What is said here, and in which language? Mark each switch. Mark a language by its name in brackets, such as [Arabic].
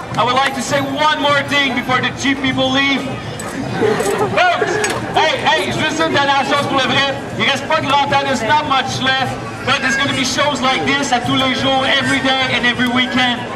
[English] I would like to say one more thing before the cheap people leave. Folks, hey, just [French] une dernière chose pour le vrai. Il reste pas grand temps, [English] there's not much left. But there's going to be shows like this [French] à tous les jours, [English] every day and every weekend.